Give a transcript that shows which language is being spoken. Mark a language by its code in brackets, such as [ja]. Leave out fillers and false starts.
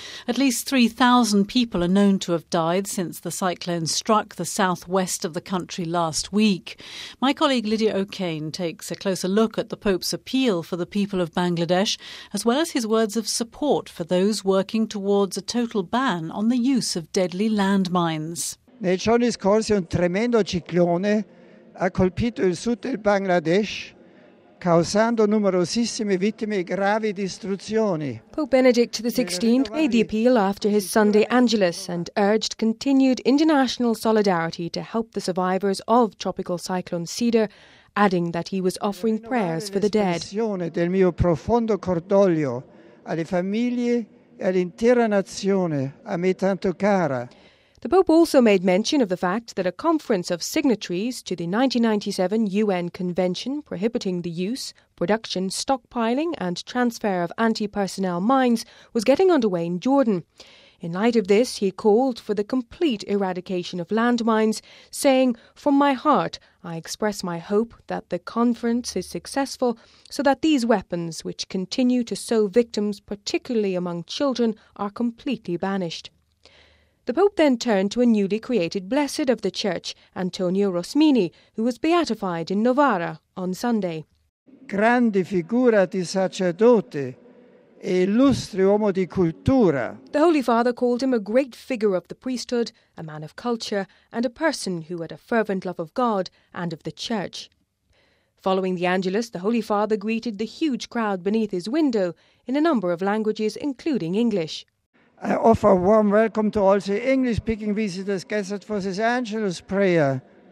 [en] At least 3,000 people are known to have died since the cyclone struck the southwest of the country last week. My colleague Lydia O'Kane takes a closer look at the Pope's appeal for the people of Bangladesh, as well as his words of support for those working towards a total ban on the use of deadly landmines. [it] Nei giorni scorsi un tremendo ciclone ha colpito il sud del Bangladesh, causando numerosissime vittime e gravi distruzioni. [en] Pope Benedict XVI made the appeal after his Sunday Angelus and urged continued international solidarity to help the survivors of Tropical Cyclone Cedar, adding that he was offering prayers for the dead. [it] Espressione del mio profondo cordoglio alle famiglie e all'intera nazione a me tanto cara. [en] The Pope also made mention of the fact that a conference of signatories to the 1997 UN Convention prohibiting the use, production, stockpiling and transfer of anti-personnel mines was getting underway in Jordan. In light of this, he called for the complete eradication of landmines, saying, "From my heart, I express my hope that the conference is successful so that these weapons, which continue to sow victims, particularly among children, are completely banished." The Pope then turned to a newly created Blessed of the Church, Antonio Rosmini, who was beatified in Novara on Sunday. [it] Grande figura di sacerdote, e illustre uomo di cultura. [en] The Holy Father called him a great figure of the priesthood, a man of culture, and a person who had a fervent love of God and of the Church. Following the Angelus, the Holy Father greeted the huge crowd beneath his window in a number of languages, including English. I offer a warm welcome to all the English-speaking visitors gathered for this Angelus prayer.